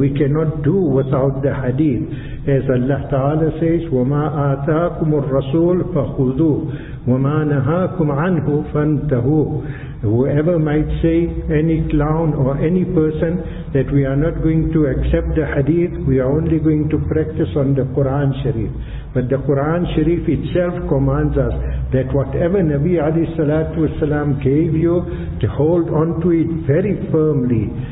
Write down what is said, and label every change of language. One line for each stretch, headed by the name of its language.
English: We cannot do without the hadith. As Allah Ta'ala says,
Arabic: وَمَا آتَاكُمُ الرَّسُولُ فَخُذُوهُ وَمَا نَهَاكُمْ عَنْهُ فَانْتَهُوهُ.
English: Whoever might say, any clown or any person, that we are not going to accept the hadith, we are only going to practice on the Quran Sharif. But the Quran Sharif itself commands us that whatever Nabi Ali Salatu Wasalam gave you, to hold on to it very firmly.